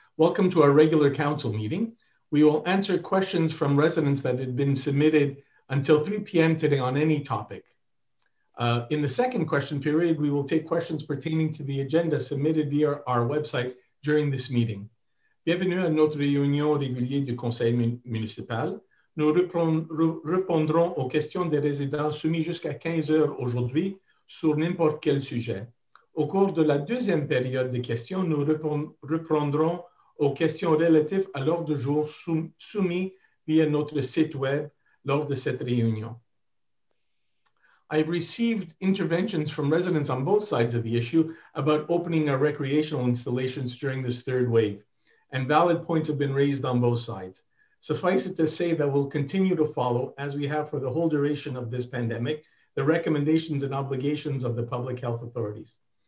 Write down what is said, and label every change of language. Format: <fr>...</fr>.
<en>Welcome to our regular council meeting. We will answer questions from residents that had been submitted until 3 p.m. today on any topic. In the second question period, we will take questions pertaining to the agenda submitted via our website during this meeting.</en> <fr>Bienvenue à notre réunion régulière du conseil municipal. Nous répondrons aux questions des résidents soumises jusqu'à 15 heures aujourd'hui sur n'importe quel sujet. Au cours de la deuxième période des questions, nous reprendrons aux questions relatives à l'ordre du jour soumis via notre site web lors de cette réunion.</fr> <en>I've received interventions from residents on both sides of the issue about opening our recreational installations during this third wave, and valid points have been raised on both sides. Suffice it to say that we'll continue to follow, as we have for the whole duration of this pandemic, the recommendations and obligations of the public health authorities.</en>